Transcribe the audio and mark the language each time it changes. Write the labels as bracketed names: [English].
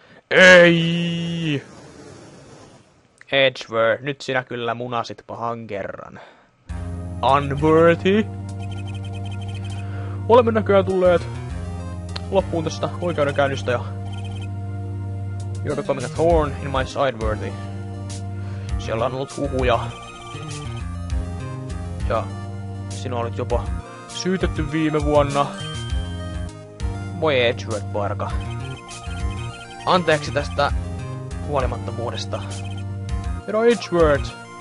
[Finnish] Ei! Edgeworth, nyt sinä kyllä munasit pahan kerran. [English] Unworthy? [Finnish] Olemme näköjään tulleet loppuun tästä oikeudenkäynnistä ja... [English] you're becoming a thorn in my side, Worthy. [Finnish] Siellä on ollut huhuja. Ja sinä olet jopa syytetty viime vuonna. Voi Edgeworth Barka. Anteeksi tästä huolimattomuudesta. Herra Edgeworth!